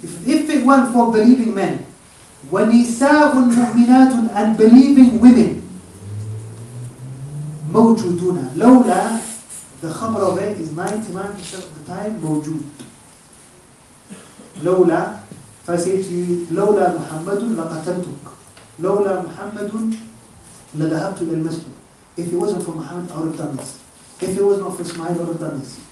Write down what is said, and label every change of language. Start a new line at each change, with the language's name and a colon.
English: If it weren't for believing men,
Arabic: ونساء مؤمنات
English: and believing women,
Arabic: موجودون. لولا,
English: the khabar of it is 99% of the time
Arabic: موجود. لولا,
English: if I say to you,
Arabic: لولا محمد لقتلتك. لولا محمد لذهبت إلى المسجد.
English: If it wasn't for Muhammad, I would have done this. If it wasn't for Ismail, I would have done this.